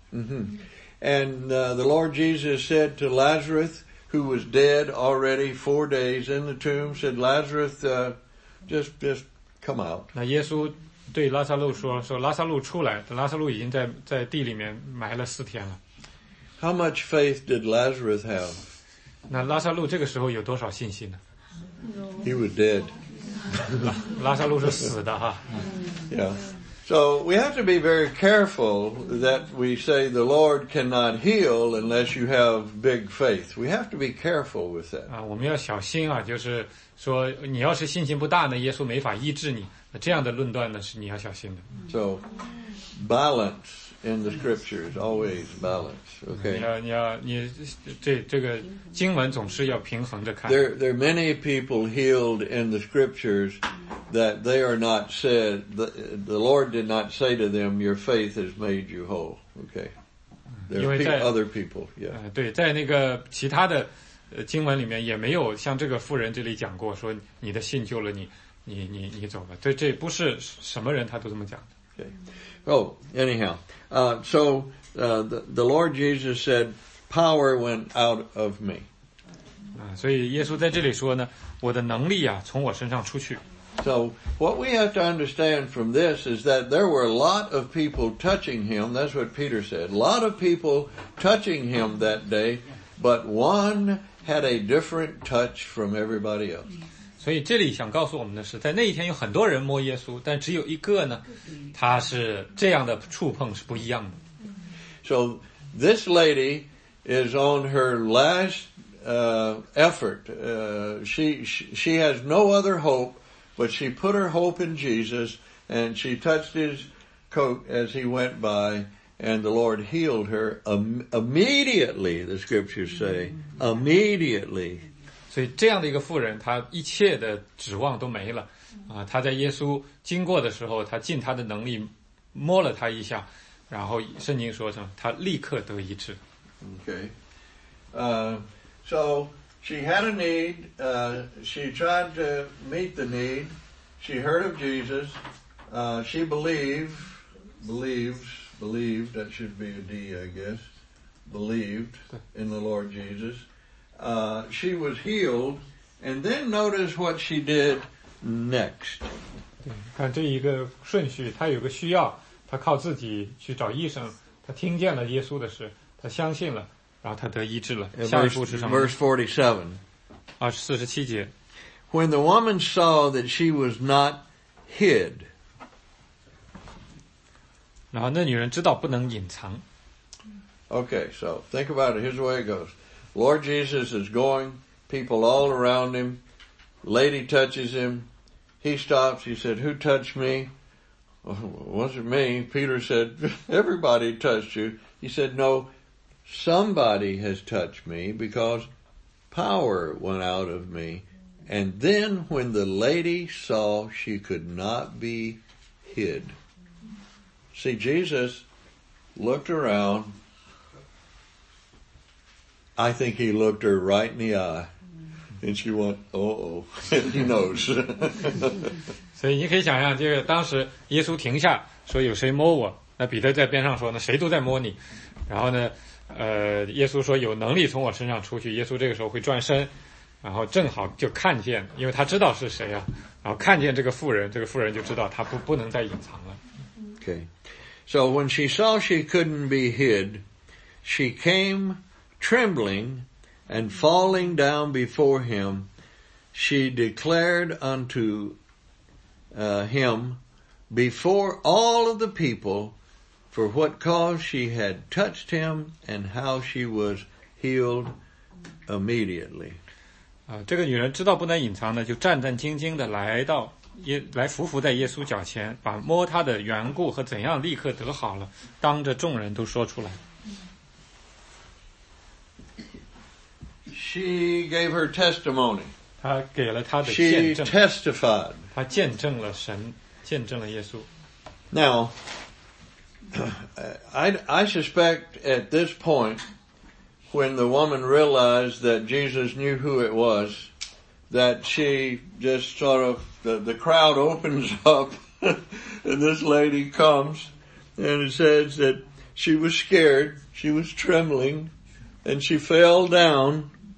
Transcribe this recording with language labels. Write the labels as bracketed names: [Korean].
[English] The Lord Jesus said to Lazarus, who was dead already 4 days in the tomb, said, Lazarus, just come out. [Chinese] 那耶稣对拉撒路说拉撒路出来，拉撒路已经在地里面埋了四天了。 [English] How much faith did Lazarus have? [Chinese] 那拉撒路这个时候有多少信心呢？ [English] He was dead. [Chinese] 拉撒路是死的哈。 [English] Yeah. So we have to be very careful that we say the Lord cannot heal unless you have big faith. We have to be careful with that. [Chinese] 我们要小心啊，就是说你要是信心不大呢，耶稣没法医治你，这样的论断呢是你要小心的。 [English] So balance in the scriptures, always balance. Okay. [Chinese] 你这个经文总是要平衡着看。 [English] There are many people healed in the scriptures that they are not said, the Lord did not say to them, your faith has made you whole. Okay. There are other people, yeah. [Chinese] 对，在那个其他的经文里面也没有像这个妇人这里讲过说你的信救了你，你走吧。对，这不是什么人他都这么讲的。 [English] Okay. Oh, anyhow. So the Lord Jesus said, power went out of me. [Chinese] 所以耶稣在这里说呢，我的能力啊从我身上出去。 [English] So what we have to understand from this is that there were a lot of people touching him. That's what Peter said. A lot of people touching him that day, but one had a different touch from everybody else. [Chinese] 所以这里想告诉我们的是，在那一天有很多人摸耶稣，但只有一个呢，他是这样的触碰是不一样的。 [English] So this lady is on her last effort. She has no other hope. But she put her hope in Jesus, and she touched his coat as he went by, and the Lord healed her immediately, the scriptures say, immediately. [Chinese] 所以这样的一个妇人，她一切的指望都没了。她在耶稣经过的时候，她尽她的能力摸了他一下，然后圣经说什么，她立刻得医治。 [English] Okay. So... She had a need, she tried to meet the need, she heard of Jesus, she believed, that should be a D, I guess, believed in the Lord Jesus. She was healed, and then notice what she did next. [Chinese] 看这一个顺序，她有个需要，她靠自己去找医生，她听见了耶稣的事，她相信了。然后他得医治了。下一步是什么？ [English] Verse 47. [Chinese] 47节。 [English] When the woman saw that she was not hid. [Chinese] 然后那女人知道不能隐藏。 [English] Okay, so think about it. Here's the way it goes. Lord Jesus is going, people all around him, lady touches him, he stops, he said, who touched me? Was it me? Peter said, everybody touched you. He said, no,Somebody has touched me because power went out of me. And then when the lady saw she could not be hid. See, Jesus looked around. I think he looked her right in the eye. And she went, he knows. [Chinese] 所以你可以想象，就是当时耶稣停下说有谁摸我，那彼得在边上说那谁都在摸你，然后呢耶稣说有能力从我身上出去，耶稣这个时候会转身，然后正好就看见，因为他知道是谁啊，然后看见这个妇人就知道他不能再隐藏了。 [English] Okay. So when she saw she couldn't be hid, she came trembling and falling down before him, she declared unto him before all of the peopleFor what cause she had touched him and how she was healed immediately. [Chinese] 这个女人知道不能隐藏的，就战战兢兢的来到来伏伏在耶稣脚前，把摸他的缘故和怎样立刻得好了，当着众人都说出来。 [English] She gave her testimony. [Chinese] 她给了她的见证。 [English] She testified. [Chinese] 她见证了神，见证了耶稣。 [English] Now, I suspect at this point, when the woman realized that Jesus knew who it was, that she just sort of, the crowd opens up, and this lady comes, and it says that she was scared, she was trembling, and she fell down